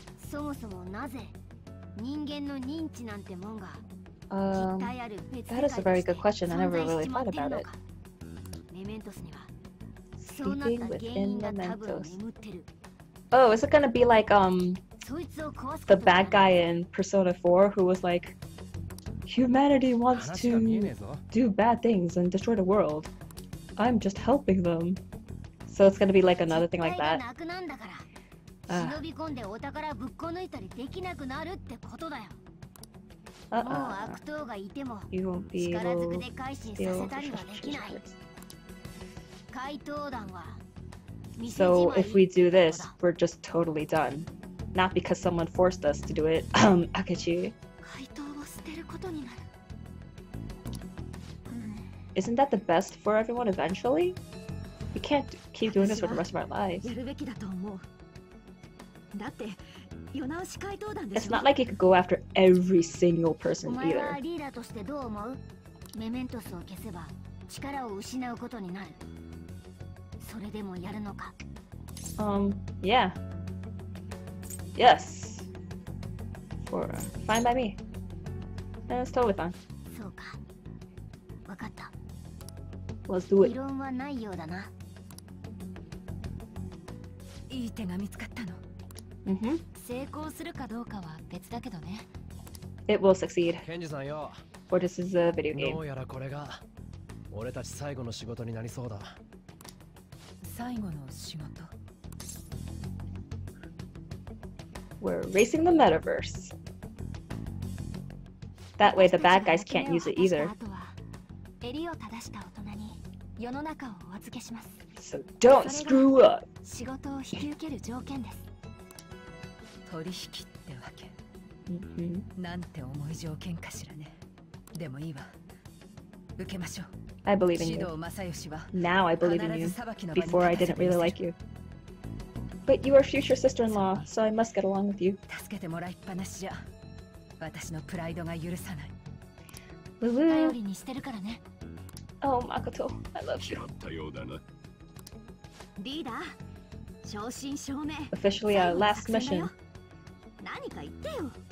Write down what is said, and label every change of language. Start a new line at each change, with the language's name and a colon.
Japanese: そもそもなぜ人間の認知なんてもんが実体ある別世界として存在しちまってるのか。メメントスにはそうなった原因が多分眠ってる。
English: Oh, is it gonna be like the bad guy in Persona 4 who was like humanity wants to do bad things and destroy the world? I'm just helping them. So it's gonna be like another thing like that.
Japanese: 忍び込んでお宝ぶっこ抜いたりできなくなるってことだよ。もう悪党がいても力ずくで改心させたりはできない。怪盗団は見せじまい。
English: So if we do this, we're just totally done. Not because someone forced us to do it. Akechi.
Japanese: 怪盗を捨てることになる。
English: Isn't that the best for everyone eventually? We can't keep doing this for the rest of our lives.
Japanese: やるべきだと思う。だって、世直し怪盗団でしょ?
English: It's not like you could go after every single person either.
Japanese: お前はリーダーとしてどう思う?メメントスを消せば、力を失うことになる。それでもやるのか?
English: Yeah. Yes. Fine by me. That's totally fine.
Japanese: そうか。わかった。
English: Let's do it.
Japanese: 異論はないようだな。いい手が見つかったの。成功するかどうかは別だけどね。
English: It will succeed.
Japanese: ケンジさんよ。
English: For this is a video game.
Japanese: どうやらこれが俺たち最後の仕事になりそうだ。最後の仕事。
English: We're racing the metaverse. That way the bad guys can't use it either.
Japanese: あとは襟を正した大人に世の中をお預けします。
English: So don't screw up.
Japanese: 仕事を引き受ける条件です。取引ってわけ。なんて重い条件かしらね。でもいいわ。受けましょう。
English: I believe in you. Now I believe in you. Before I didn't really like you. But you are future sister-in-law, so I must get along with you.
Japanese: 助けてもらいっぱなしじゃ。私のプライドが許さない。頼りにしてるからね。
English: Oh, Makoto, I love you.
Japanese: 拾ったようだな。リーダー、正真正銘。
English: Officially our last mission.
Japanese: 何か言ってよ。